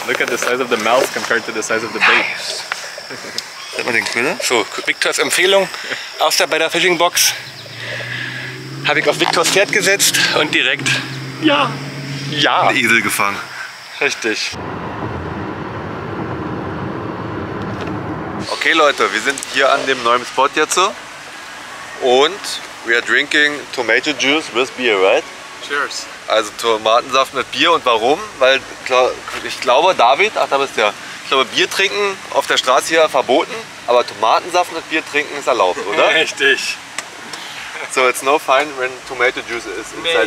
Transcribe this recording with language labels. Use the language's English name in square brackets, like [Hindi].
[English] Look at the size of the mouth compared to the size of the bait. Nice. [German] Hat man den Köder? So, Victors Empfehlung aus der Better Fishing Box. Habe ich auf Victors Pferd gesetzt und direkt ja. Ja. Ein Esel gefangen. Richtig. Okay Leute, wir sind hier an dem neuen Spot jetzt. [English] Und we are drinking tomato juice with beer, right? Cheers. [German] Also Tomatensaft mit Bier. Und warum? Weil ich glaube, David, ach da bist du ja. Ich glaube, Bier trinken auf der Straße hier verboten. Aber Tomatensaft mit Bier trinken ist erlaubt, oder? Richtig. [English] So it's no fine when tomato juice is inside